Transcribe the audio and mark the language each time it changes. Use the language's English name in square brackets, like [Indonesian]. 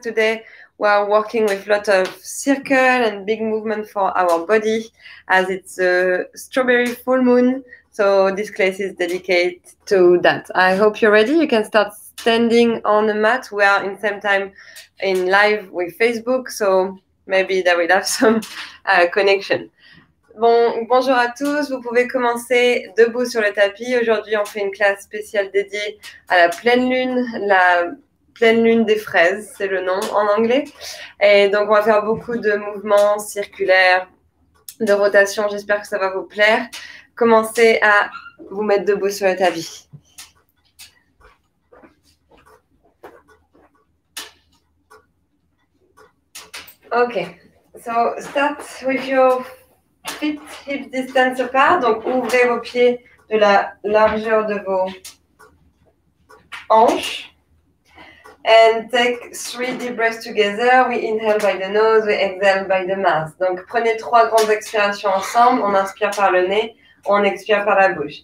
[English] Today we are working with lot of circle and big movement for our body as it's a strawberry full moon. So this class is dedicated to that. I hope you're ready. You can start standing on the mat. We are in same time in live with Facebook, so maybe that will have some connection. [French] Bon, bonjour à tous, vous pouvez commencer debout sur le tapis. Aujourd'hui, on fait une classe spéciale dédiée à la pleine lune des fraises, c'est le nom en anglais. Et donc, on va faire beaucoup de mouvements circulaires, de rotations, j'espère que ça va vous plaire. Commencez à vous mettre debout sur le tapis. [English] Ok, so start with your feet hip distance apart, [French] donc ouvrez vos pieds de la largeur de vos hanches. [English] And take three deep breaths together. We inhale by the nose, we exhale by the mouth. [French] Donc prenez trois grandes expirations ensemble. On inspire par le nez, on expire par la bouche.